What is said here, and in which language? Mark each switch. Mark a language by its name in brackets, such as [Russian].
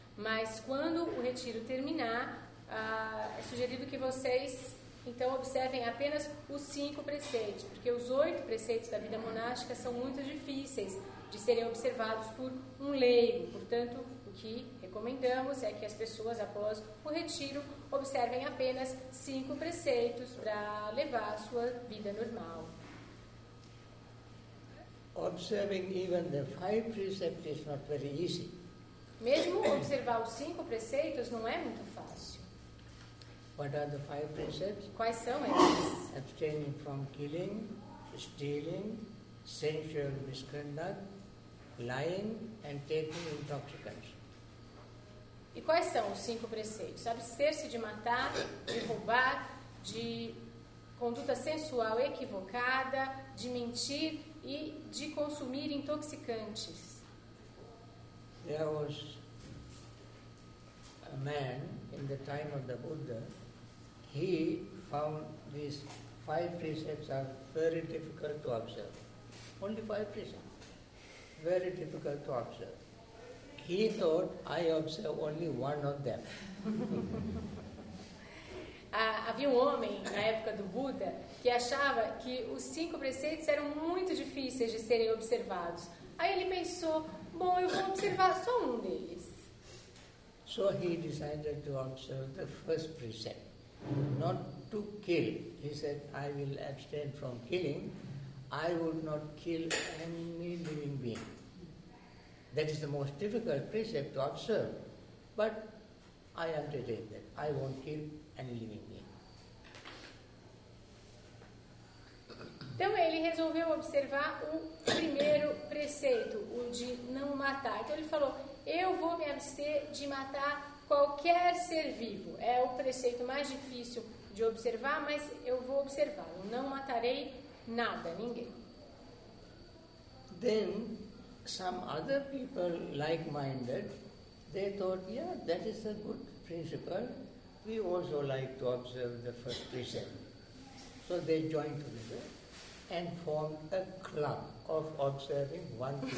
[Portuguese] Mas quando o retiro terminar, é sugerido que vocês então observem apenas os 5 preceitos, porque os 8 preceitos da vida monástica são muito difíceis de serem observados por um leigo. Portanto, o que recomendamos é que as pessoas, após o retiro, observem apenas 5 preceitos para levar a sua vida normal. [English] Observing even the 5 precepts is not very easy. [Portuguese] Mesmo observar os 5 preceitos não é muito fácil. [English] What are the 5 precepts? [Portuguese] Quais são eles? [English] Abstaining from killing, stealing, sensual misconduct, lying and taking intoxicants. [Portuguese] E quais são os 5 preceitos? Abster-se de matar, de roubar, de conduta sensual equivocada, de mentir e de consumir intoxicantes. [English] There was a man in the time of the Buddha. He found these 5 precepts are very difficult to observe. Only 5 precepts. Very difficult to observe. He thought, I observe only one of them. [Portuguese] Havia um homem, na época do Buda, que achava que os 5 preceitos eram muito difíceis de serem observados. Aí ele pensou, bom, eu vou observar só um deles. [English] So he decided to observe the first precept, not to kill. He said, I will abstain from killing. I would not kill any living being. That is the most difficult precept to observe. But I undertake that. I won't kill any living being. [Portuguese] Então ele resolveu observar o primeiro preceito, o de não matar. Então ele falou, eu vou me abster de matar qualquer ser vivo. É o preceito mais difícil de observar, mas eu vou observar. Eu não matarei nada, ninguém. [English] Then, some other people like-minded, they thought, yeah, that is a good principle. We also like to observe the first precept. So they joined together and formed a club of observing one